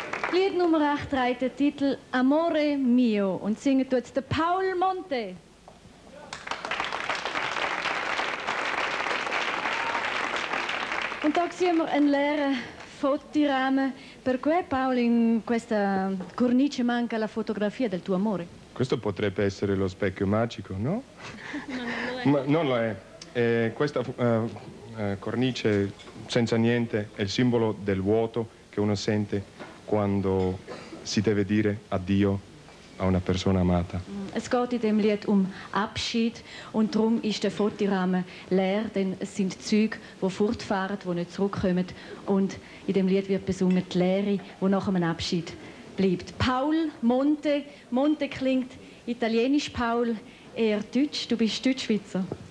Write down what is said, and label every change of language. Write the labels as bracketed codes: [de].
[de] Trägt den Titel Amore Mio und singt jetzt der Paul Monte. Und da sehen wir einen leeren Fotorahmen. [it] Perché Paul, in questa cornice manca la fotografia del tuo amore? Questo potrebbe essere lo specchio magico, no? Ma non lo è. Ma non lo è. Questa cornice senza niente è il simbolo del vuoto che uno sente quando si deve dire addio a una persona amata. [de] Es geht in dem Lied Abschied und darum ist der Fotorahmen leer, denn es sind Züge, die fortfahren, die nicht zurückkommen. Und in dem Lied wird besungen die Leere, die nach einem Abschied bleibt. Paul Monte. Monte klingt italienisch, Paul, eher deutsch. Du bist Deutschschweizer.